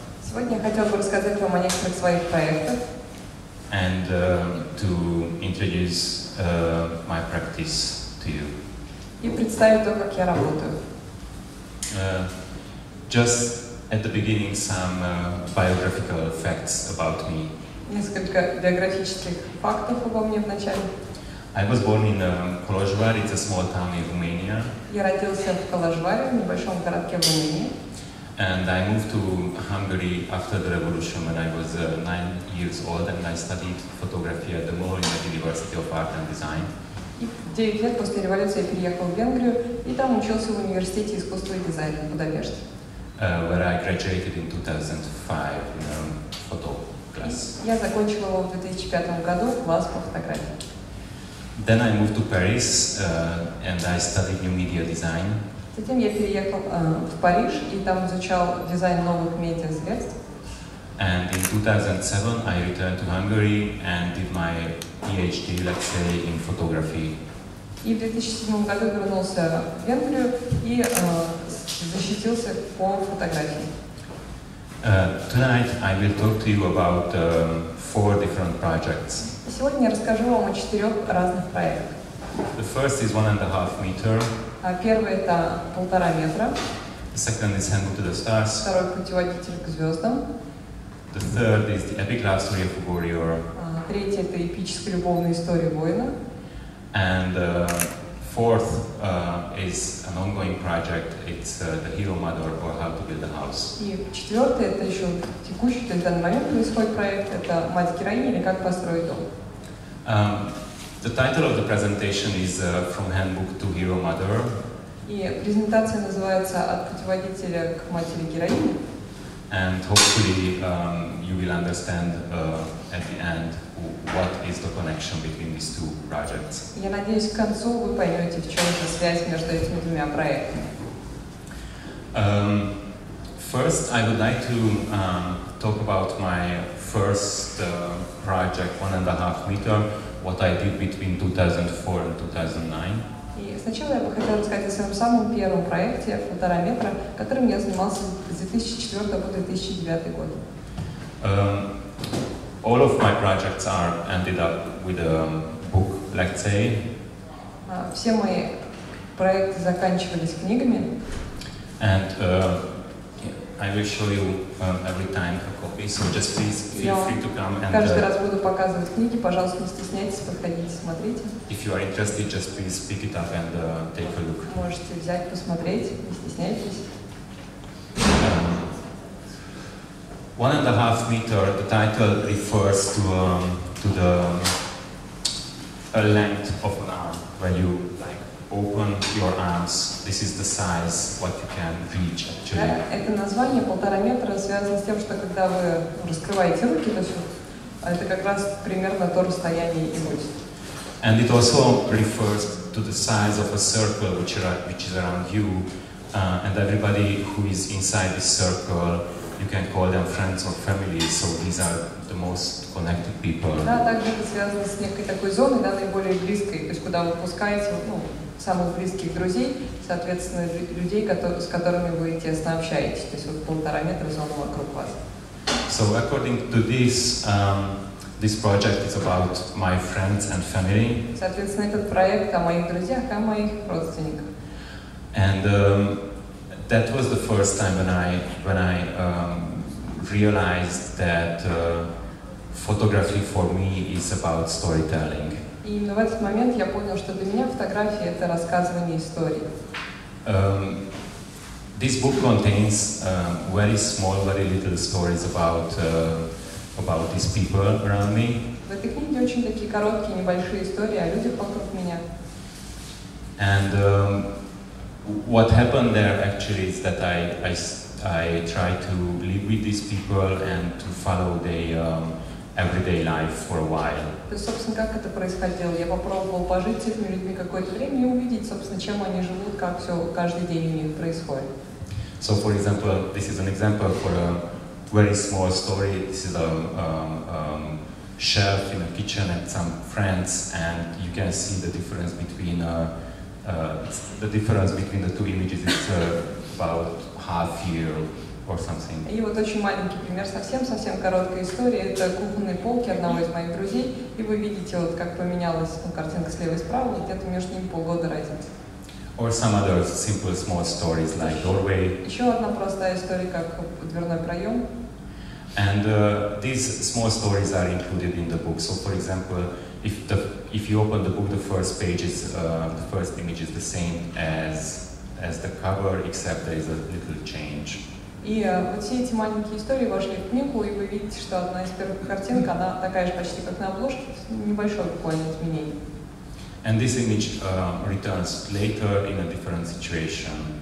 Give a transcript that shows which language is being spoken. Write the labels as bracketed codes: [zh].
[ru] Сегодня я хотел бы рассказать вам о некоторых своих проектах. [en] And to introduce my practice to you. [ru] И представить то, как я работаю. [en] Just at the beginning some biographical facts about me. [ru] Несколько биографических фактов обо мне вначале. [en] I was born in Kolozsvár, it's a small town in Romania. [ru] Я родился в Коложваре, в небольшом городке в Румынии. [en] And I moved to Hungary after the revolution when I was 9 years old, and I studied photography at the MOL in the University of Art and Design. [ru] И 9 лет после революции я переехал в Венгрию и там учился в университете искусства и дизайна в Будапеште. [en] Where I graduated in 2005 in photo class. [ru] Я закончил его в 2005 году класс по фотографии. [en] Then I moved to Paris and I studied new media design. [ru] Затем я переехал в Париж и там изучал дизайн новых медиа средств. [en] And in 2007 I returned to Hungary and did my PhD lecture in photography. [ru] И в 2007 году вернулся в Венгрию и защитился по фотографии. [en] Tonight I will talk to you about four different projects. [ru] Сегодня я расскажу вам о четырех разных проектах. [en] The first is 1.5 meter. [ru] Первый — это 1.5 метра. [en] The second is Handbook to the Stars. [ru] Второй — путеводитель к звездам. [en] The third is the epic love story of a warrior. [ru] Третий — это эпическая любовная история воина. [en] And fourth is an ongoing project. It's the hero mother or how to build a house. [ru] И четвертый — это еще текущий, то есть одномоментный свой проект. Это мать героини или как построить дом. [en] The title of the presentation is From Handbook to Hero Mother. [ru] И презентация называется «От путеводителя к матери-героине». [en] And hopefully you will understand at the end what is the connection between these two projects. [ru] Я надеюсь, к концу вы поймете, в чем же связь между этими двумя проектами. [en] First, I would like to talk about my first project, 1.5 meter. What I did between 2004 and 2009. [ru] И сначала я бы хотел рассказать о своем самом первом проекте, 1.5 метра, которым я занимался с 2004 по 2009 год. [en] All of my projects are ended up with a book, let's say. [ru] Все мои проекты заканчивались книгами. [en] And I will show you every time a copy, so just please feel free to come and. [ru] Каждый раз буду показывать книги, пожалуйста, не стесняйтесь, подходите, смотрите. [en] If you are interested, just please pick it up and take a look. [ru] Можете взять, посмотреть, не стесняйтесь. [en] 1.5 meter. The title refers to the length of an arm when you like. Open your arms. This is the size what you can reach actually. [ru] Это название 1.5 метра связано с тем, что когда вы раскрываете руки, то это как раз примерно то расстояние и будет. [en] And it also refers to the size of a circle which is around you, and everybody who is inside this circle, you can call them friends or family. So these are the most connected people. [ru] Да, также это связано с некой такой зоной, да, наиболее близкой, то есть куда вы пускаете, самых близких друзей, соответственно, людей, с которыми вы тесно общаетесь, то есть вот 1.5 метра зона вокруг вас. [en] So according to this, this project is about my friends and family. [ru] Соответственно, этот проект о моих друзьях, о моих родственниках. [en] And that was the first time when I realized that photography for me is about storytelling. [ru] И именно в этот момент я понял, что для меня фотография — это рассказывание истории. [en] This book contains very small, very little stories about these people around me. [ru] В этой книге очень такие короткие, небольшие истории о людях вокруг меня. [en] And what happened there actually is that I try to live with these people and to follow their everyday life for a while. [ru] То есть, собственно, как это происходило? Я попробовал пожить с этими людьми какое-то время и увидеть, собственно, чем они живут, как все каждый день у них происходит. [en] So, for example, this is an example for a very small story. This is a chef in a kitchen and some friends, and you can see the difference between the two images is about half year or something. [ru] И вот очень маленький пример, совсем короткая история. Это кухонные полки одного из моих друзей, и вы видите вот как поменялась картинка слева и справа, где-то между ними полгода разница. [en] Or some other simple small stories like doorway. [ru] Еще одна простая история, как дверной проем. [en] And these small stories are included in the book. So, for example, if you open the book, the first page is the first image is the same as the cover, except there is a little change. [ru] И вот все эти маленькие истории вошли в книгу, и вы видите, что одна из первых картинок, она такая же почти как на обложке, небольшое буквально изменение. [en] And this image returns later in a different situation.